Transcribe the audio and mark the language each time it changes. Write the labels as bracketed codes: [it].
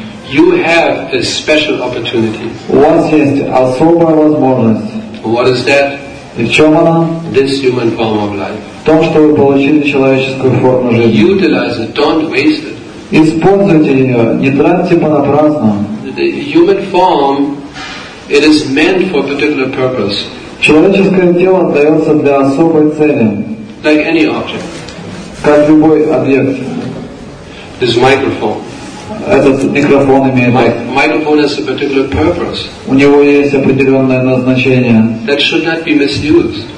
[en] You have a special opportunity. [ru] У вас есть особая возможность. [en] What is that? [ru] И в чем она? [en] This human form of life. [ru] В том, что вы получили человеческую форму жизни. [en] Utilize it, don't waste it. [ru] Используйте ее, не тратьте понапрасну. [en] The human form, it is meant for a particular purpose. [ru] Человеческое тело дается для особой цели. [en] Like any object. [ru] Как любой объект. [en] This microphone. [ru] Этот микрофон имеет. [en] Microphone has a particular purpose. [ru] У него есть определенное назначение. [en] That should not be misused.